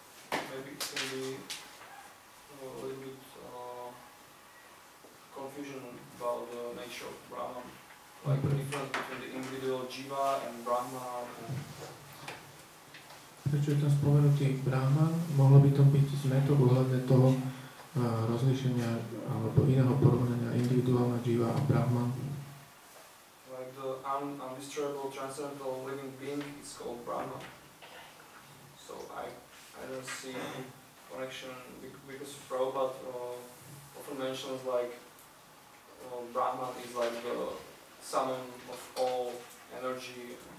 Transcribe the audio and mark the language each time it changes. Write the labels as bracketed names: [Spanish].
[English] Maybe it can be a little bit confusion about the nature of Brahma. Like the difference between the individual Jiva and Brahma. [Slovak] prečo je tam spomenutý Brahma, mohlo by to byť zmetok ohľadne toho rozlíšenia alebo iného porovnania individuálna jiva a Brahma. [English] Like the undisturbable transcendental living being is called Brahma. So I don't see connection because Prabhupada often mentions like Brahma is like the summon of all energy.